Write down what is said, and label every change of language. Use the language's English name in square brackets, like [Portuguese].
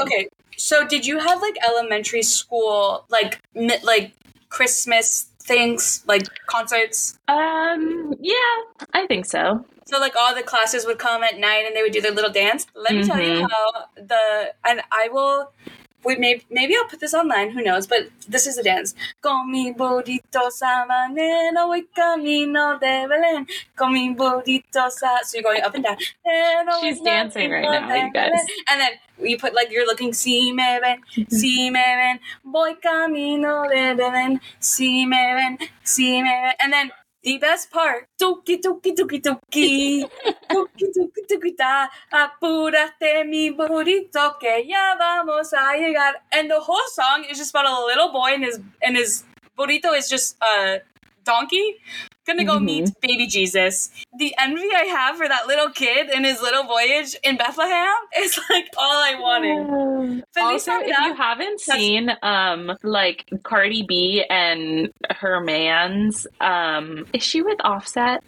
[English] Okay, so did you have, like, elementary school, like Christmas things, like concerts? Yeah, I think so. So, like, all the classes would come at night and they would do their little dance. Let me tell you how the, and I will, maybe I'll put this online, who knows, but this is a dance. [Spanish] Con mi burrito sabanero y camino de Belén. Con mi burrito sabanero. [English] So you're going up and down. She's dancing right now, you guys. And then you put, like, you're looking, [Spanish] si me ven, voy camino de Belén. Si me ven, si me ven. [English] And then the best part. Tuki, tuki, tuki, tuki. Tuki, tuki, tuki, ta. [Spanish] Apúrate, mi burrito, que ya vamos a llegar. [English] And the whole song is just about a little boy and his burrito is just a donkey. Gonna go meet baby Jesus. The envy I have for that little kid and his little voyage in Bethlehem is, like, all I wanted. Also, if you haven't seen, like, Cardi B and her mans, is she with Offset?